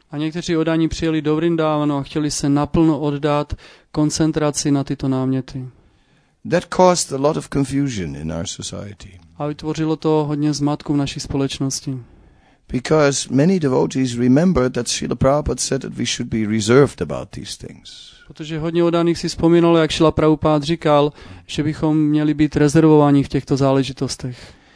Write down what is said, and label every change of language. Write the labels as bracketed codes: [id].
[cs] A někteří oddaní přijeli do Vrindavanu a chtěli se naplno oddat koncentraci na tyto náměty. [en] That caused a lot of confusion in our society. [cs] A vytvořilo to hodně zmatku v naší společnosti. [en] Because many devotees remember that Srila Prabhupada said that we should be reserved about these things. [cs] Protože hodně oddaných si vzpomínalo, jak Srila Prabhupada říkal, že bychom měli být rezervováni v těchto záležitostech.